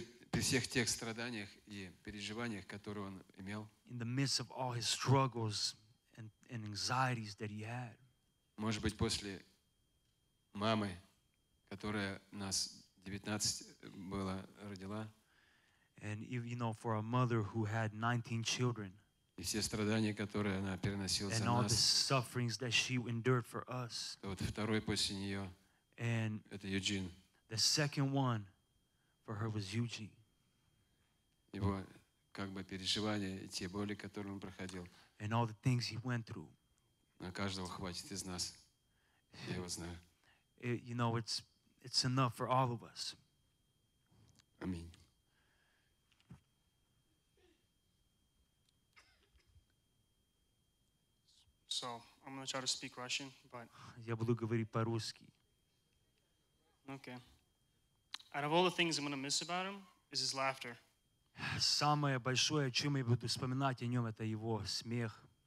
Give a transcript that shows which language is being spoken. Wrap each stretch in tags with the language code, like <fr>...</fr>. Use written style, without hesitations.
<ru>При всех тех страданиях и переживаниях, которые он имел.</ru> <en>In the midst of all his struggles and anxieties that he had.</en> <ru>Может быть, после мамы, которая нас 19 была, родила.</ru> <en>And if, you know, for a mother who had 19 children.</en> <ru>И все страдания, которые она переносила за нас.</ru> <en>And all the sufferings that she endured for us.</en> <ru>Вот второй после нее.</ru> <en>And</en> <ru>это Юджин.</ru> <en>The second one for her was Eugene.</en> <ru>Его как бы переживания и те боли, которые он проходил.</ru> <en>And all the things he went through.</en> <ru>На каждого хватит из нас. Я его знаю.</ru> <en>You know, it's enough for all of us.</en> <ru>Аминь.</ru> <en>So, I'm going to try to speak Russian, but...</en> <ru>Я буду говорить по-русски.</ru> <en>Okay. Out of all the things I'm going to miss about him, is his laughter.</en> <ru>Самое большое, о чем я буду вспоминать о нем, это его смех.</ru>